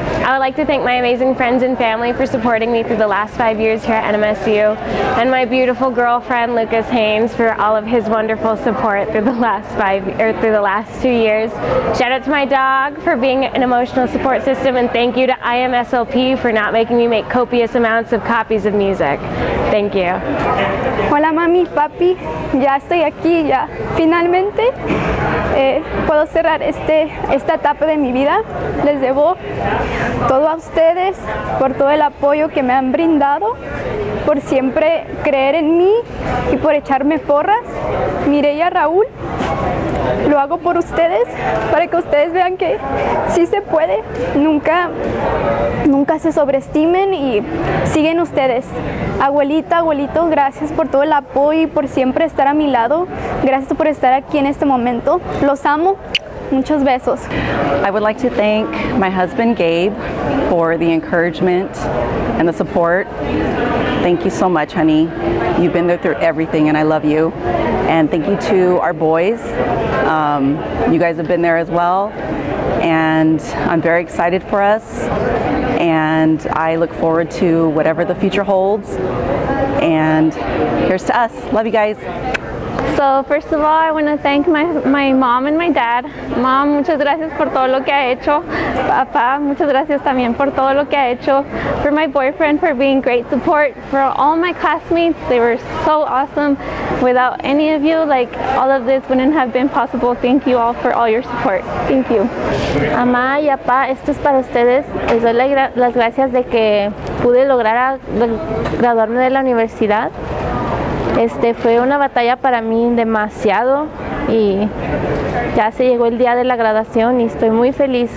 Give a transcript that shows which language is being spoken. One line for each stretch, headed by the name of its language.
English: I would like to thank my amazing friends and family for supporting me through the last 5 years here at NMSU, and my beautiful girlfriend, Lucas Haynes, for all of his wonderful support through the last through the last 2 years. Shout out to my dog for being an emotional support system, and thank you to IMSLP for not making me make copious amounts of copies of music. Thank you.
Spanish: Hola, mami, papi. Ya estoy aquí, ya. Finalmente, puedo cerrar esta etapa de mi vida. Les debo todo a ustedes por todo el apoyo que me han brindado, por siempre creer en mí y por echarme porras. Mireya, Raúl, lo hago por ustedes, para que ustedes vean que sí se puede. Nunca se sobreestimen y siguen ustedes. Abuelita, abuelito, gracias por todo el apoyo y por siempre estar a mi lado. Gracias por estar aquí en este momento. Los amo. Muchos besos.
English: I would like to thank my husband, Gabe, for the encouragement and the support. Thank you so much, honey. You've been there through everything, and I love you. And thank you to our boys. You guys have been there as well. And I'm very excited for us. And I look forward to whatever the future holds. And here's to us. Love you guys. So first of all, I want to thank my mom and my dad.
Spanish: Mom, muchas gracias por todo lo que ha hecho. Papa, muchas gracias también por todo lo que ha hecho.
English: For my boyfriend, for being great support. For all my classmates, they were so awesome. Without any of you, like, all of this wouldn't have been possible. Thank you all for all your support. Thank you.
Spanish: Mamá y papá, esto es para ustedes. Les doy las gracias de que pude lograr graduarme de la universidad. Fue una batalla para mí demasiado y ya se llegó el día de la graduación y estoy muy feliz.